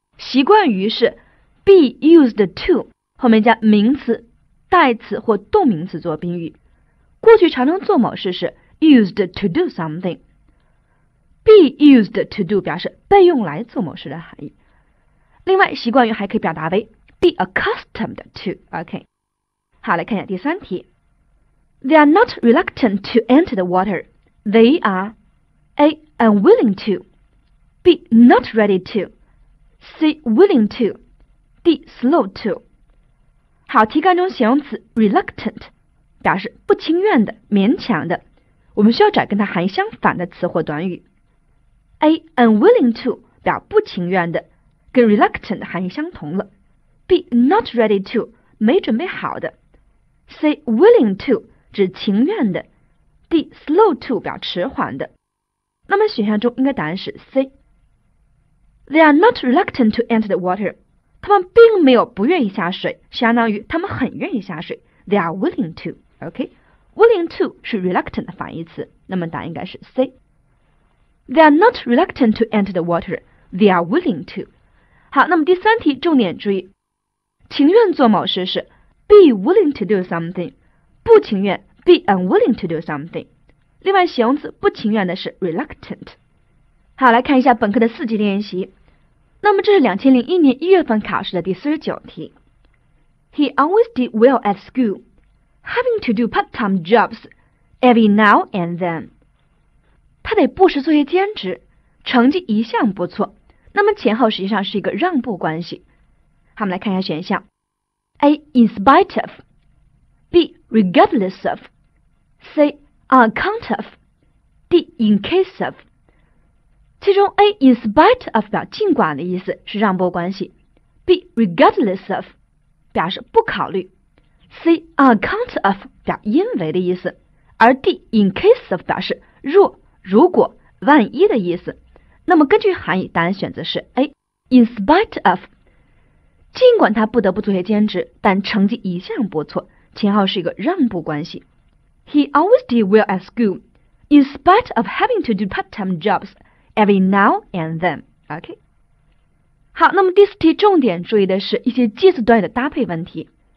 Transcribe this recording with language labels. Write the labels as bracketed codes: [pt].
[zh] 习惯于是 be used to， 后面加名词、代词或动名词做宾语。过去常常做某事是 used to do something。 Be used to do 表示被用来做某事的含义。另外，习惯于还可以表达为 be accustomed to. OK， 好，来看一下第三题。 [en] They are not reluctant to enter the water. They are A. unwilling to. B. not ready to. C. willing to. D. slow to. [zh] 好，题干中形容词 reluctant 表示不情愿的、勉强的，我们需要找跟它含义相反的词或短语。 A unwilling to 表不情愿的，跟 reluctant 含义相同了。B not ready to 没准备好的。 C willing to 指情愿的。D slow to 表迟缓的。那么选项中应该答案是 C。 [en] They are not reluctant to enter the water. [zh] 他们并没有不愿意下水，相当于他们很愿意下水。 [en] They are willing to. OK, willing to [zh] 是 reluctant 的反义词，那么答案应该是 C。 [en] They are not reluctant to enter the water. They are willing to. [zh] 好，那么第三题重点注意，情愿做某事是 [en] be willing to do something， [zh] 不情愿 [en] be unwilling to do something。 [zh] 另外，形容词不情愿的是 reluctant。好，来看一下本课的四级练习。那么这是2001年1月份考试的第49题。 [en] He always did well at school, having to do part-time jobs every now and then. [zh] 他得不时做些兼职，成绩一向不错。那么前后实际上是一个让步关系。好，我们来看一下选项 ：A. [en] In spite of. B. Regardless of. C. On account of. D. In case of. 其中 A. [zh] In spite of 表尽管的意思，是让步关系 ；B. Regardless of 表示不考虑 ；C. On account of 表因为的意思，而 D. In case of 表示若。如果万一的意思，那么根据含义，答案选择是 A。In spite of，尽管他不得不做些兼职，但成绩一向不错。秦昊是一个让步关系。 [en] He always did well at school, in spite of having to do part-time jobs every now and then. OK。 [zh] 好，那么第四题重点注意的是一些介词短语的搭配问题。